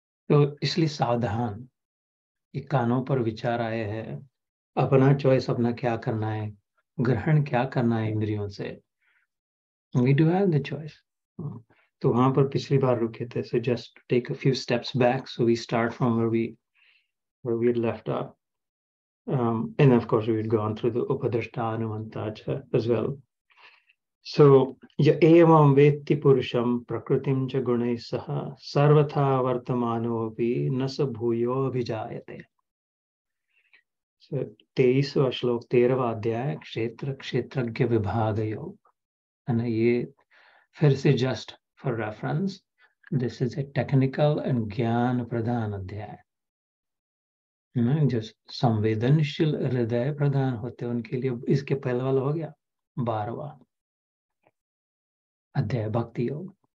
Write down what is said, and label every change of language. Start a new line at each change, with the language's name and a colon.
Hindi: तो इसलिए सावधान, ये कानों पर विचार आए हैं, अपना चॉइस अपना क्या करना है, ग्रहण क्या करना है इंद्रियों से,
English: We do have the choice.
Hindi: तो वहां पर पिछली बार रुके थे,
English: So just take a few steps back, so we start from where we left off. And of course we had gone through the उपदृष्टा हनुमंता च as well.
Sanskrit: सो य एवं वेत्ति पुरुषं प्रकृतिं च गुणैः सह सर्वथा वर्तमानोऽपि न स भूयोऽभिजायते।
Hindi: सो 23वां श्लोक 13वां अध्याय क्षेत्र क्षेत्रज्ञ विभाग योग है ना, ये फिर से
English: just for reference, this is a technical and
Hindi: ज्ञान प्रधान अध्याय। जो संवेदनशील हृदय प्रधान होते हैं उनके लिए इसके पहले वाला हो गया 12वां अध्याय भक्ति योग।